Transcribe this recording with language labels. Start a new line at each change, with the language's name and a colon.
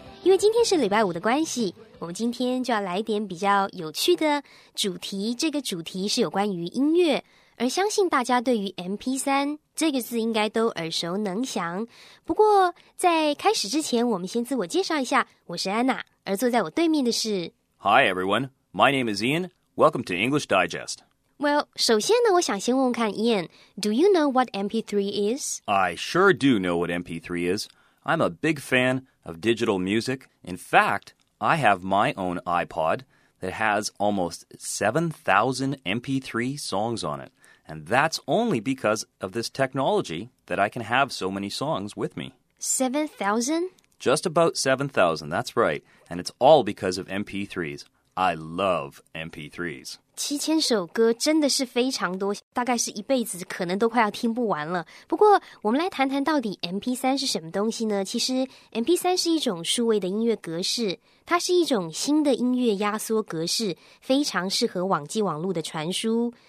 Chinese: 因为今天是礼拜五的关系，我们今天就要来一点比较有趣的主题。这个主题是有关于音乐，而相信大家对于 MP3 这个字应该都耳熟能详。不过在开始之前，我们先自我介绍一下，我是安娜，而坐在我对面的是
English: Hi everyone, my name is Ian. Welcome to English Digest. Well,
Chinese: 首先呢，我想先问问看
English: Ian, do you know what MP3 is? I sure do know what MP3 is. I'm a big fan of digital music. In fact, I have my own iPod that has almost 7,000 MP3 songs on it. And that's only because of this technology that I can have so many songs with me. 7,000? Just about 7,000, that's right. And it's all because of MP3s. I love MP3s.
Chinese: 7000首歌真的是非常多，大概是一辈子可能都快要听不完了。不过我们来谈谈到底 MP3 是什么东西呢？其实 MP3 是一种数位的音乐格式，它是一种新的音乐压缩格式，非常适合网际网络的传输。